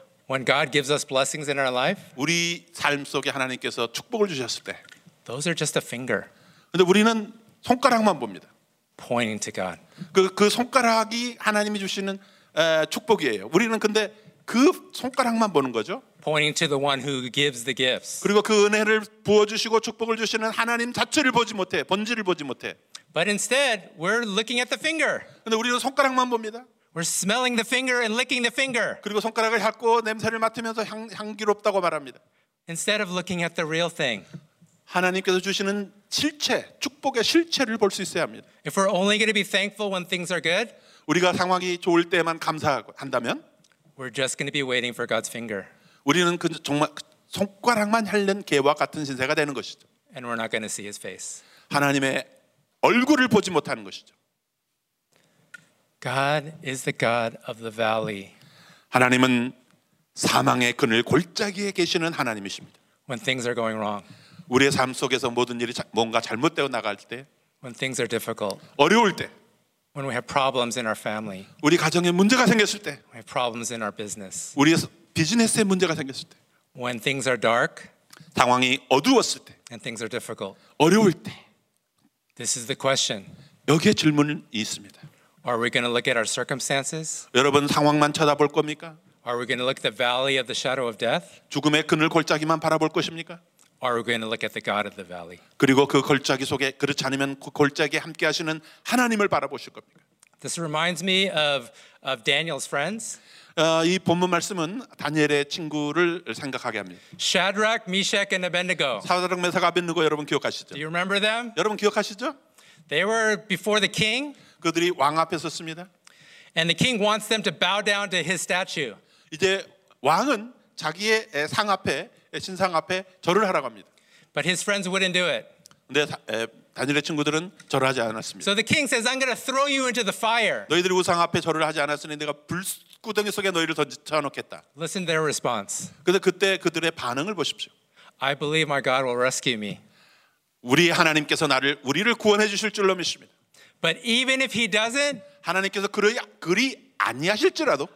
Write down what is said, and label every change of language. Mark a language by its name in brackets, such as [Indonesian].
[English] When God gives us blessings in our life, [Korean] 우리 삶 속에 하나님께서 축복을 주셨을 때, [English] those are just a finger. [Korean] 근데 우리는 손가락만 봅니다. [English] Pointing to God. [Korean] 그 손가락이 하나님이 주시는 축복이에요. 우리는 근데 그 손가락만 보는 거죠. [English] Pointing to the one who gives the gifts. [Korean] 그리고 그 은혜를 부어주시고 축복을 주시는 하나님 자체를 보지 못해, 본질을 보지 못해. [English] But instead, we're looking at the finger. [Korean] 근데 우리는 손가락만 봅니다. [English] We're smelling the finger and licking the finger. [Korean] 그리고 손가락을 핥고 냄새를 맡으면서 향기롭다고 말합니다. [English] Instead of looking at the real thing. [Korean] 하나님께서 주시는 실체, 축복의 실체를 볼 수 있어야 합니다. [English] If we're only going to be thankful when things are good, [Korean] 우리가 상황이 좋을 때만 감사한다면, [English] we're just going to be waiting for God's finger. [Korean] 우리는 그 정말 손가락만 핥는 개와 같은 신세가 되는 것이죠. [English] And we're not going to see His face. [Korean] 하나님의 얼굴을 보지 못하는 것이죠. [English] God is the God of the valley. [Korean] 하나님은 사망의 그늘 골짜기에 계시는 하나님이십니다. [English] When things are going wrong. [Korean] 우리의 삶 속에서 모든 일이 뭔가 잘못되어 나갈 때, [English] when things are difficult, [Korean] 어려울 때, [English] when we have problems in our family, [Korean] 우리 가정에 문제가 생겼을 때, [English] we have problems in our business, [Korean] 우리 비즈니스에 문제가 생겼을 때, [English] when things are dark, [Korean] 상황이 어두웠을 때, [English] and things are difficult, [Korean] 어려울 때, [English] this is the question. [Korean] 여기에 질문이 있습니다. [English] Are we going to look at our circumstances? [Korean] 여러분 상황만 쳐다볼 겁니까? [English] Are we going to look at the valley of the shadow of death? [Korean] 죽음의 그늘 골짜기만 바라볼 것입니까? [English] Are we going to look at the God of the valley? [Korean] 그리고 그 골짜기 속에 그렇지 않으면 그 골짜기에 함께하시는 하나님을 바라보실 겁니까? [English] This reminds me of Daniel's friends. [Korean] 이 본문 말씀은 다니엘의 친구를 생각하게 합니다. [English] Shadrach, Meshach, and Abednego. [Korean] 사드락, 메삭, 아벳느고 여러분 기억하시죠? [English] Do you remember them? [Korean] 여러분 기억하시죠? [English] They were before the king. [Korean] 그들이 왕 앞에 섰습니다. [English] And the king wants them to bow down to his statue. [Korean] 이제 왕은 자기의 상 앞에 신상 앞에 절을 하라고 합니다. [English] But his friends wouldn't do it. [Korean] 근데 다니엘의 친구들은 절하지 않았습니다. [English] So the king says, "I'm going to throw you into the fire." [Korean] 너희들이 우상 앞에 절을 하지 않았으니 내가 불구덩이 속에 너희를 던져 넣겠다. [English] Listen to their response. [Korean] 근데 그때 그들의 반응을 보십시오. [English] I believe my God will rescue me. [Korean] 우리 하나님께서 나를 우리를 구원해 주실 줄로 믿습니다. [English] But even if He doesn't, [Korean] 하나님께서 그리 아니하실지라도,